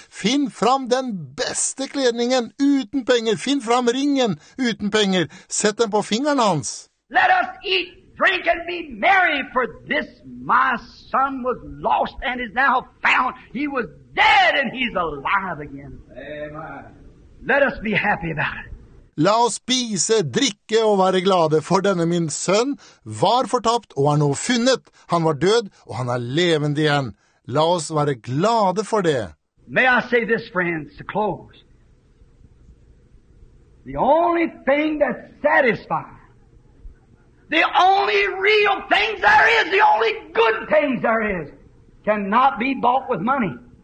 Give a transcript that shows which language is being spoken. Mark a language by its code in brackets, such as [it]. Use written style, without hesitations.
[no] Finn fram den beste kledningen uten penger. Finn fram ringen uten penger. Sett den på fingeren hans. [en] Let us eat, drink and be merry, for this my son was lost and is now found. He was dead and he's alive again. Amen. Let us be happy about it. [no] La oss spise, drikke og være glade, for denne min sønn var fortapt og nå funnet. Han var død og han levende igjen. La oss være glade for det. [en] May I say this, friends, to close. The only thing that satisfies, the only real things there is, the only good things there is, cannot be bought with money.